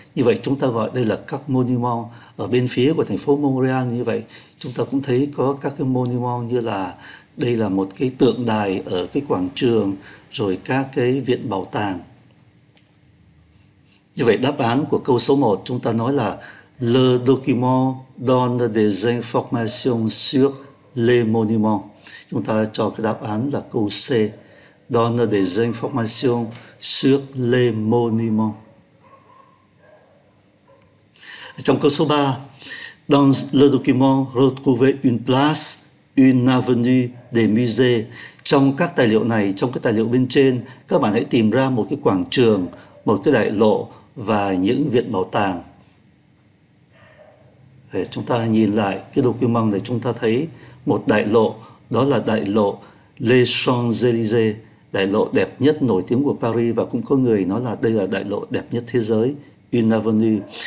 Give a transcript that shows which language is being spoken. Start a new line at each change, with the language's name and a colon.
Vietnamese: Như vậy chúng ta gọi đây là các monument. Ở bên phía của thành phố Montreal như vậy, chúng ta cũng thấy có các cái monument, như là đây là một cái tượng đài ở cái quảng trường, rồi các cái viện bảo tàng. Như vậy đáp án của câu số 1 chúng ta nói là
French: Le document donne des informations sur les monuments.
Vietnamese: Chúng ta cho cái đáp án là câu C.
French: Donne des informations sur les monuments.
Vietnamese: Trong câu số 3,
French: dans le document, retrouvez une place, une avenue, des musées.
Vietnamese: Trong các tài liệu này, trong cái tài liệu bên trên, các bạn hãy tìm ra một cái quảng trường, một cái đại lộ và những viện bảo tàng. Để chúng ta nhìn lại cái document này, chúng ta thấy một đại lộ, đó là đại lộ Les Champs-Élysées, đại lộ đẹp nhất nổi tiếng của Paris, và cũng có người nói là đây là đại lộ đẹp nhất thế giới, Une Avenue.